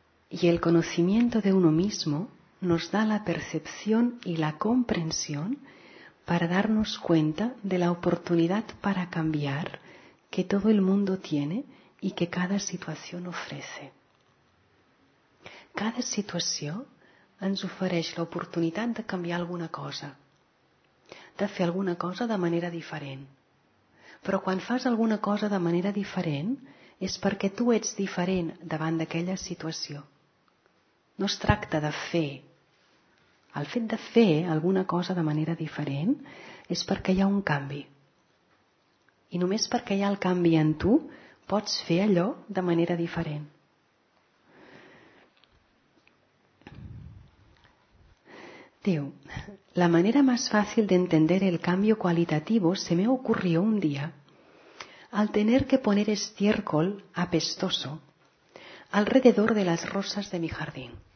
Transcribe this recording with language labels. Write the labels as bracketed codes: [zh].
[es] Y el conocimiento de uno mismo nos da la percepción y la comprensión para darnos cuenta de la oportunidad para cambiar que todo el mundo tiene y que cada situación ofrece. [ca] Cada situación ens ofereix l'oportunitat de canviar alguna cosa, de fer alguna cosa de manera diferent. Però quan fas alguna cosa de manera diferent és perquè tu ets diferent davant d'aquella situació. No es tracta de fer. El fet de fer alguna cosa de manera diferent és perquè hi ha un canvi. I només perquè hi ha el canvi en tu pots fer allò de manera diferent. [es] Diu, la manera más fácil de entender el cambio cualitativo se me ocurrió un día al tener que poner estiércol apestoso alrededor de las rosas de mi jardín.